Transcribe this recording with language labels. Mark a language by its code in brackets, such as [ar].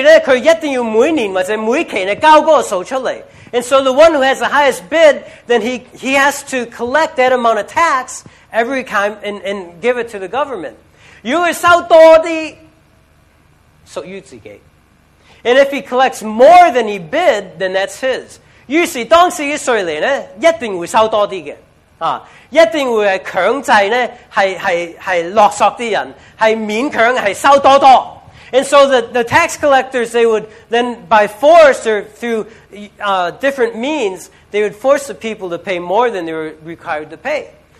[zh] 於是那個稅吏呢,他就投標一個數,跟著呢,他一定要每年或者每期呢,交個數出來. [en] And so the one who has the highest bid, then he has to collect that amount of tax every time and give it to the government. [zh] 如果收多的,屬於自己。 [en] And if he collects more than he bid, then that's his. [zh] 於是當時的稅吏一定會收多一點,一定會強制,是落索的人,是勉強收多多. [en] And so the tax collectors, they would then by force or through different means, they would force the people to pay more than they were required to pay.